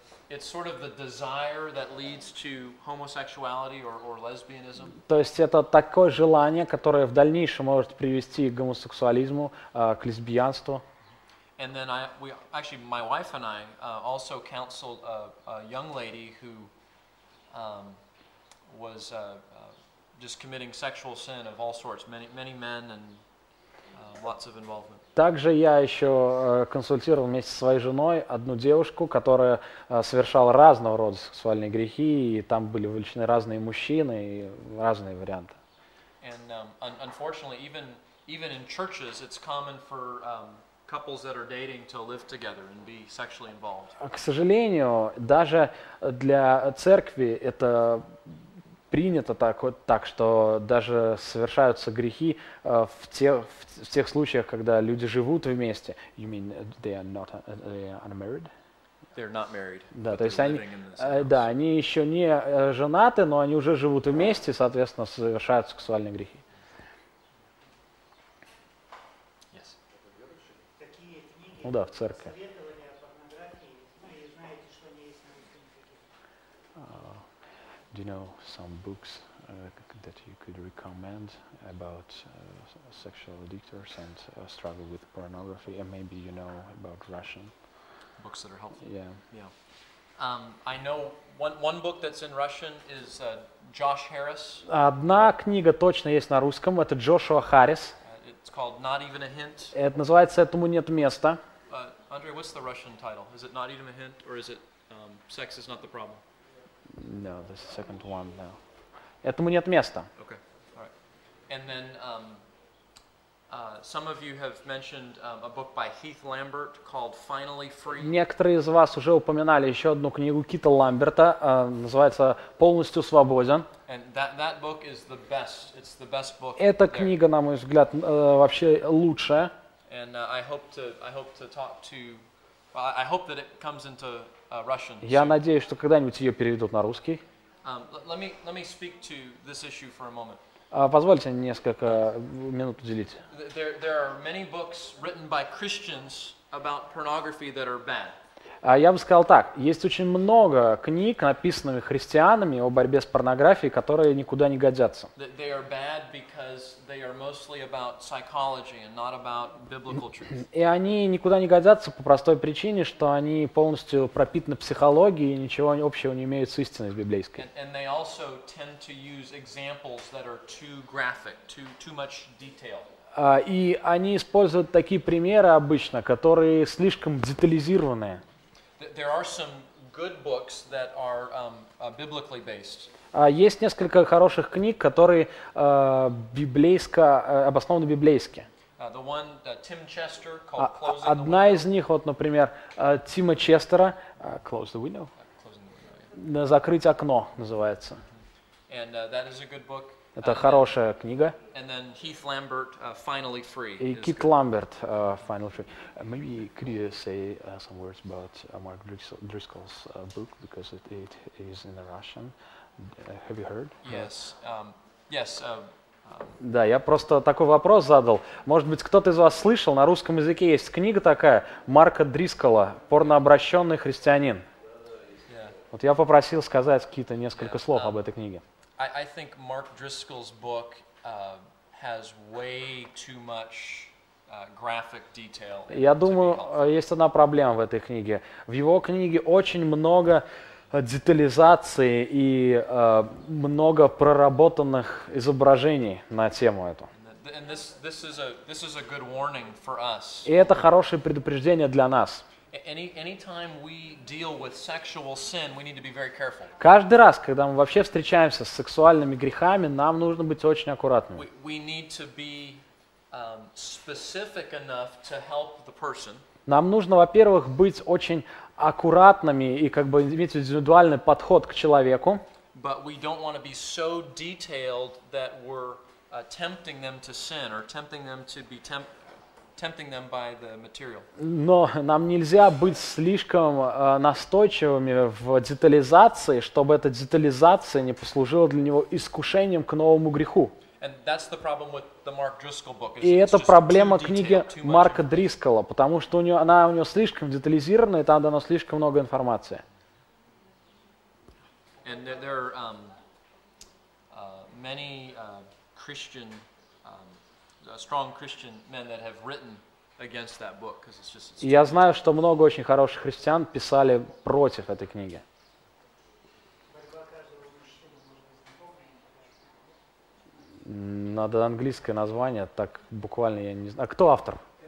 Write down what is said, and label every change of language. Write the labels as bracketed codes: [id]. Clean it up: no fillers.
[en] It's sort of the desire that leads to homosexuality or lesbianism. [ru] То есть это такое желание, которое в дальнейшем может привести к гомосексуализму, к лесбиянству. [en] And then my wife and I also counseled a young lady who was just committing sexual sin of all sorts, many, many men and lots of involvement. [ru] Также я еще консультировал вместе со своей женой одну девушку, которая совершала разного рода сексуальные грехи, и там были вовлечены разные мужчины и разные варианты. [en] And unfortunately, even in churches, it's common for couples that are dating to live together and be sexually involved. [ru] К сожалению, даже для церкви это принято так, что даже совершаются грехи в тех случаях, когда люди живут вместе. [en] You mean they are unmarried? They're not married. [ru] Да, то есть они, да, они еще не женаты, но они уже живут вместе, соответственно, совершают сексуальные грехи. Ну да, в церкви. [en] Do you know some books that you could recommend about sexual addictors and struggle with pornography? And maybe you know about Russian books that are helpful. Yeah. Yeah. I know one book that's in Russian is Josh Harris. [ru] Одна книга точно есть на русском. Это Джошуа Харрис. [en] It's called Not Even a Hint. [ru] Это называется «Этому нет места». [en] Andrei, what's the Russian title? Is it Not Even a Hint, or is it Sex is Not the Problem? No, this is the second one now. [ru] Этому нет места. [en] Okay, all right. And then some of you have mentioned a book by Heath Lambert called Finally Free. [ru] Некоторые из вас уже упоминали еще одну книгу Кита Ламберта, называется «Полностью свободен». [en] And that book is the best. It's the best book. [ru] Эта книга, на мой взгляд, вообще лучшая. [en] And I hope to talk to. Well, I hope that it comes into Russian. [ru] Я надеюсь, что когда-нибудь ее переведут на русский. [en] Let me speak to this issue for a moment. [ru] Позвольте несколько минут уделить. [en] There are many books written by Christians about pornography that are bad. [ru] Я бы сказал так: есть очень много книг, написанных христианами о борьбе с порнографией, которые никуда не годятся. [en] They are bad because they are mostly about psychology and not about biblical truth. [ru] И они никуда не годятся по простой причине, что они полностью пропитаны психологией и ничего общего не имеют с истиной библейской. [en] And they also tend to use examples that are too graphic, too much detail. [ru] И они используют такие примеры обычно, которые слишком детализированные. [en] There are some good books that are biblically based. [ru] Есть несколько хороших книг, которые обоснованы библейски. Одна из них, вот, например, Тима Честера, Close the Window, Закрыть окно называется. [en] And, that is a good book. [ru] Это хорошая книга. [en] And then Heath Lambert, Finally Free. [ru] И Кит Ламберт, Finally Free. [en] Maybe could you say some words about Mark Driscoll's book, because it is in the Russian. Have you heard? Yes. Yes. [ru] Да, я просто такой вопрос задал. Может быть, кто-то из вас слышал, на русском языке есть книга такая, Марка Дрискола, «Порнообращенный христианин». [en] Yeah. [ru] Вот я попросил сказать какие-то несколько слов об этой книге. [en] I think Mark Driscoll's book has way too much graphic detail. [ru] Я думаю, есть одна проблема в этой книге. В его книге очень много детализации и много проработанных изображений на тему эту. [en] And this is a good warning for us. [ru] И это хорошее предупреждение для нас. [en] Anytime we deal with sexual sin, we need to be very careful. [ru] Каждый раз, когда мы вообще встречаемся с сексуальными грехами, нам нужно быть очень аккуратными. [en] We need to be specific enough to help the person. [ru] Нам нужно, во-первых, быть очень аккуратными и как бы иметь индивидуальный подход к человеку. [en] But we don't want to be so detailed that we're tempting them to sin or tempting them to be tempting them by the material. [ru] Но нам нельзя быть слишком настойчивыми в детализации, чтобы эта детализация не послужила для него искушением к новому греху. [en] And that's the problem with the Mark Driscoll book. [ru] И это проблема книги Марка Дрискола, потому что у него слишком детализирована, и там дано слишком много информации. [en] And there are many Christian strong Christian men that have written against that book, because it's just. [ru] Я знаю, что много очень хороших христиан писали против этой книги. Надо английское название, так буквально я не знаю. А кто автор?